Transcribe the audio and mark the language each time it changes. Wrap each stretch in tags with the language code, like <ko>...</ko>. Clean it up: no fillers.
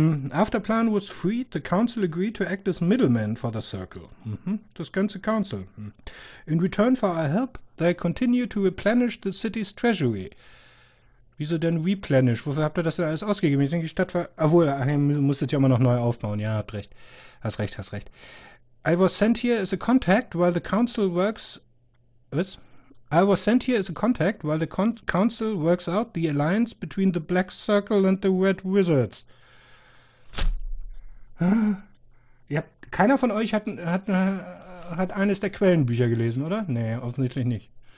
<en>After Plan was freed, the Council agreed to act as middleman for the Circle.</en> <de>Das ganze Council.</de> <en>In return for our help, they continue to replenish the city's treasury.</en> <de>Wieso denn replenish? Wofür habt ihr das denn alles ausgegeben? Ich denke, die Stadt war. Obwohl, ihr musstet ja immer noch neu aufbauen. Ja, habt recht. Hast recht.</de> <en>I was sent here as a contact while the Council works.</en> <de>Was?</de> <en>I was sent here as a contact while the Council works out the alliance between the Black Circle and the Red Wizards.</en> <de>Ja, keiner von euch hat eines der Quellenbücher gelesen, oder? Nee, offensichtlich nicht.</de>